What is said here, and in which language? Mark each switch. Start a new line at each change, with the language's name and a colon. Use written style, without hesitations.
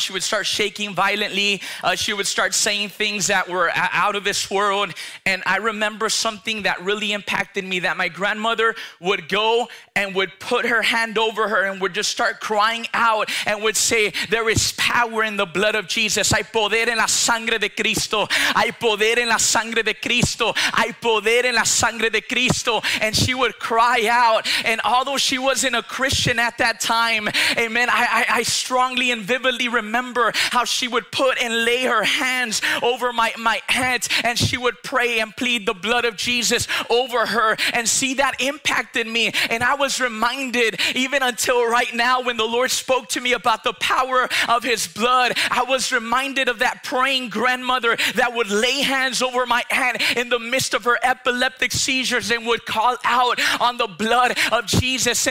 English: She would start shaking violently. She would start saying things that were out of this world. And I remember something that really impacted me, that my grandmother would go and would put her hand over her and would just start crying out and would say, there is power in the blood of Jesus.
Spanish: Hay poder en la sangre de Cristo. Hay poder en la sangre de Cristo. Hay poder en la sangre de Cristo.
English: And she would cry out. And although she wasn't a Christian at that time, amen, I strongly and vividly remember how she would put and lay her hands over my aunt, and she would pray and plead the blood of Jesus over her. And see, that impacted me. And I was reminded, even until right now, when the Lord spoke to me about the power of his blood, I was reminded of that praying grandmother that would lay hands over my aunt in the midst of her epileptic seizures and would call out on the blood of Jesus.